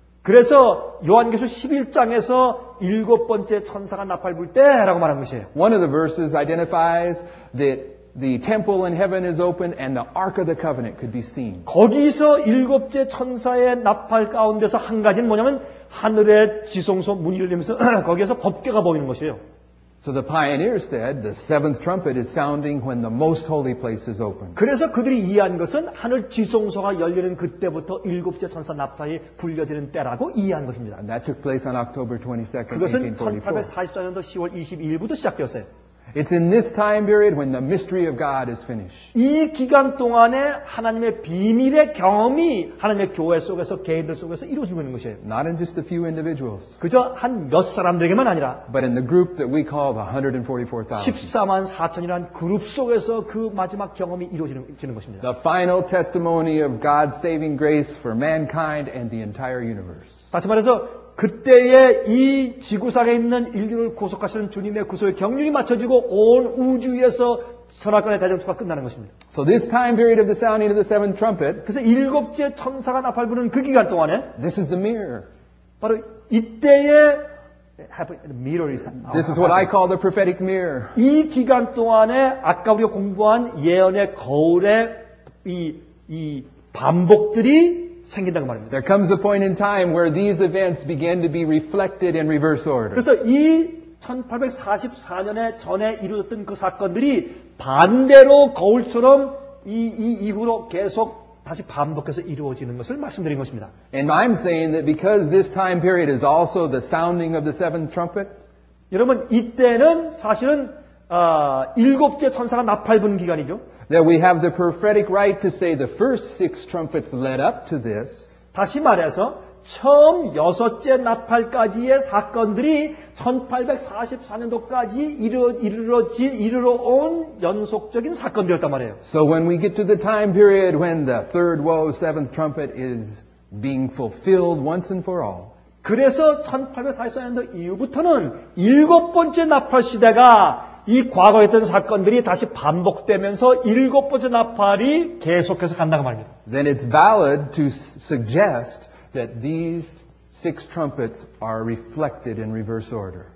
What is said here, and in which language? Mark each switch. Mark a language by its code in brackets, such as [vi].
[ko] 그래서 요한계시록 11장에서 일곱 번째 천사가 나팔 불 때라고 말한 것이에요. [en] One of the verses identifies that the temple in heaven is open and the ark of the covenant could be seen. [ko] 거기서 일곱째 천사의 나팔 가운데서 한 가지는 뭐냐면 하늘의 지성소 문이 열리면서 거기에서 법궤가 보이는 것이에요. [en] So the pioneers said the seventh trumpet is sounding when the most holy place is open. [ko] 그래서 그들이 이해한 것은 하늘 지성소가 열리는 그때부터 일곱째 천사 나팔이 불려지는 때라고 이해한 것입니다. [en] And that took place on October 22nd, 1844. [ko] 1844년도 10월 22일부터 시작되었어요. [en] It's in this time period when the mystery of God is finished. [ko] 이 기간 동안에 하나님의 비밀의 경험이 하나님의 교회 속에서 개인들 속에서 이루어지고 있는 것이에요. [en] Not in just a few individuals. [ko] 그저 한 몇 사람들에게만 아니라 [en] but in the group that we call the 144,000. [ko] 14만 4천이라는 그룹 속에서 그 마지막 경험이 이루어지는 것입니다. [en] The final testimony of God's saving grace for mankind and the entire universe. [ko] 다시 말해서 그때에 이 지구상에 있는 인류를 구속하시는 주님의 구속의 경륜이 맞춰지고 온 우주에서 선악관의 대정투가 끝나는 것입니다. [en] So this time period of the sounding of the seventh trumpet. [ko] 그래서 일곱째 천사가 나팔 부는 그 기간 동안에 [en] this is the mirror. [ko] 바로 이때에 [en] the mirror is. This is what I call the prophetic mirror. [ko] 이 기간 동안에 아까 우리가 공부한 예언의 거울의 이 반복들이 생긴다고 말합니다. [en] There comes a point in time where these events began to be reflected in reverse order. [ko] 그래서 이 1844년에 전에 이루어졌던 그 사건들이 반대로 거울처럼 이 이후로 계속 다시 반복해서 이루어지는 것을 말씀드린 것입니다. [en] And I'm saying that because this time period is also the sounding of the seventh trumpet. [ko] 여러분 이때는 사실은 일곱째 천사가 나팔 부는 기간이죠. [en] That we have the prophetic right to say the first six trumpets led up to this. [ko] 다시 말해서 처음 여섯째 나팔까지의 사건들이 1844년도까지 이르러 온 연속적인 사건들이었단 말이에요. [en] So when we get to the time period when the third woe, seventh trumpet is being fulfilled once and for all. [ko] 그래서 1844년도 이후부터는 일곱 번째 나팔 시대가 이 과거에 있던 사건들이 다시 반복되면서 일곱 번째 나팔이 계속해서 간다고 말합니다. [en] Then it's valid to suggest that these six trumpets are reflected in reverse order.